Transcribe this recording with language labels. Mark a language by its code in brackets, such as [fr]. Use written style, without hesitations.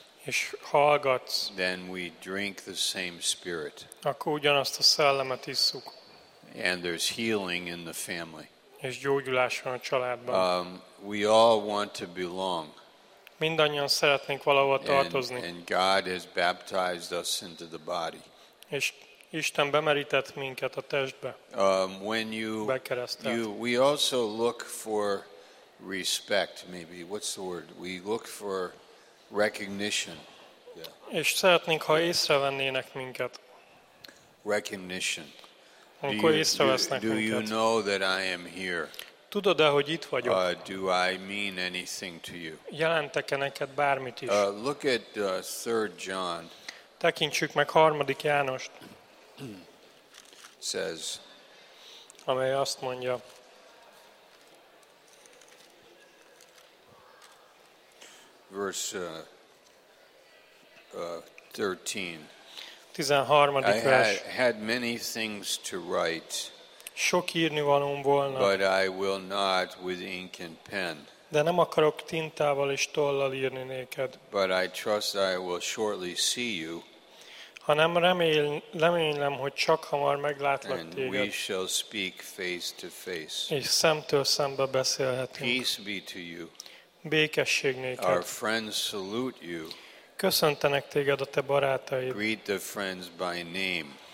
[hu] és hallgatsz, [en] then we drink the same spirit. [hu] Akkor ugyanazt a szellemet isszuk. [en] And there's healing in the family. [hu] És gyógyulás van a családban. [en] We all want to belong. [hu] Mindannyian szeretnénk valahova tartozni. [en] And God has baptized us into the body. [hu] És Isten bemerített minket a testbe. [en] When you we also look for respect, maybe. What's the word? We look for recognition. Yeah. [hu] És szeretnénk, ha észrevennének minket. [en] Recognition. [hu] Amikor észrevesznek minket. [en] Do you know that I am here? [hu] Tudod-e, hogy itt vagyok? [en] Do I mean anything to you? [hu] Jelentek-e neked bármit is? [en] Look at 3 John. [hu] Tekintsük meg 3. Jánost. [en] Says. [hu] Amely azt mondja. [en] Verse 13. 13. I had many things to write. [hu] Sok írni valóm volna. [en] But I will not with ink and pen. [hu] De nem akarok tintával és tollal írni néked. [en] But I trust I will shortly see you. [hu] Hanem remélem, hogy csak hamar meglátlak téged. [en] And we shall speak face to face. [hu] És szemtől szembe beszélhetünk. [en] Peace be to you. [hu] Békesség néked. [en] Our friends salute you. [hu] Köszöntenek téged a te barátaid. [en] Greet the friends by name.